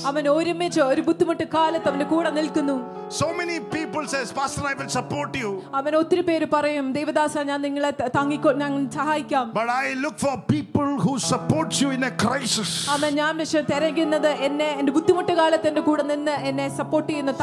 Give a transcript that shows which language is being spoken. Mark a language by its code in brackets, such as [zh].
[ml] അവൻ ഒരുമിച്ച് ഒരു ബുദ്ധിമുട്ട് കാലത്ത് അവന്റെ കൂടെ നിൽക്കുന്നു. [en] So many people says, Pastor, I will support you. [ml] അവന് ഒത്തിരി പേര് പറയും, ദൈവദാസ ഞാൻ നിങ്ങളെ താങ്ങിക്കോ, ഞാൻ സഹായിക്കാം. [en] But I look for people who supports you in a crisis. [ml] അവൻ ഞാൻ തിരയുന്നത് എന്നെ എന്റെ ബുദ്ധിമുട്ട് കാലത്ത് എന്റെ കൂടെ നിന്ന് എന്നെ സപ്പോർട്ട് ചെയ്യുന്ന